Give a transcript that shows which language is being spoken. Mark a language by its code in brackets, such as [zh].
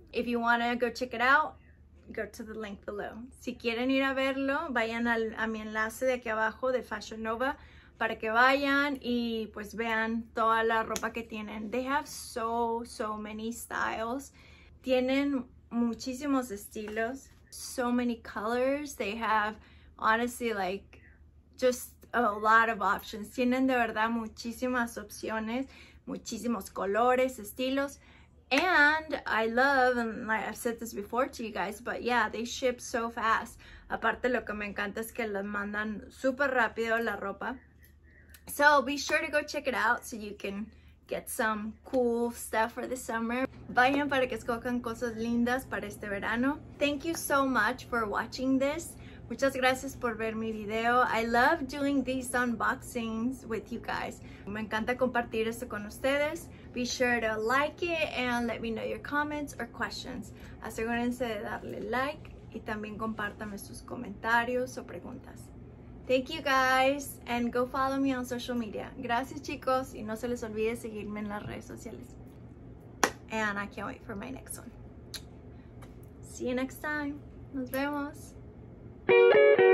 [en] If you want to go check it out, go to the link below. [es] Si quieren ir a verlo, vayan a mi enlace de aquí abajo de Fashion Nova para que vayan y pues vean toda la ropa que tienen. [en] They have so, so many styles. [es] Tienen muchísimos estilos. [en] So many colors. They have honestly like just a lot of options. [es] Tienen de verdad muchísimas opciones, muchísimos colores, estilos. [en] And I love, and I've said this before to you guys, but yeah, they ship so fast. [es] Aparte, lo que me encanta es que les mandan super rápido la ropa. [en] So be sure to go check it out so you can get some cool stuff for the summer. [es] Vayan para que escojan cosas lindas para este verano. [en] Thank you so much for watching this. [es] Muchas gracias por ver mi video. [en] I love doing these unboxings with you guys. [es] Me encanta compartir esto con ustedes. [en] Be sure to like it and let me know your comments or questions. [es] Asegúrense de darle like y también compártanme sus comentarios o preguntas. [en] Thank you guys and go follow me on social media. [es] Gracias chicos y no se les olvide seguirme en las redes sociales. [en] And I can't wait for my next one. See you next time. [es] Nos vemos.